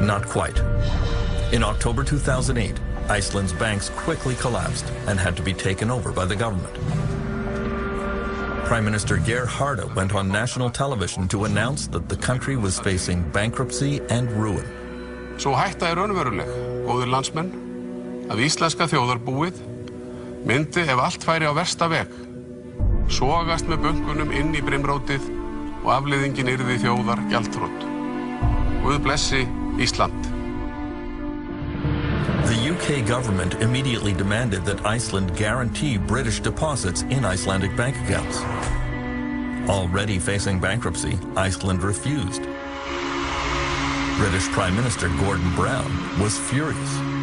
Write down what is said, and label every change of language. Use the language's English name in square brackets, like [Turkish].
[English] Not quite. In October 2008, Iceland's banks quickly collapsed and had to be taken over by the government. Prime Minister Geir Harde went on national television to announce that the country was facing bankruptcy and ruin. [Icelandic] Svo hætta er raunveruleg, góðir landsmenn, að íslenska þjóðarbúið myndi ef allt færi á versta veg, sogast með bönkunum inn í brimrótið og afleiðingin yrði þjóðar gjaldþrot. Guð blessi Ísland. [English] The UK government immediately demanded that Iceland guarantee British deposits in Icelandic bank accounts. Already facing bankruptcy, Iceland refused. British Prime Minister Gordon Brown was furious.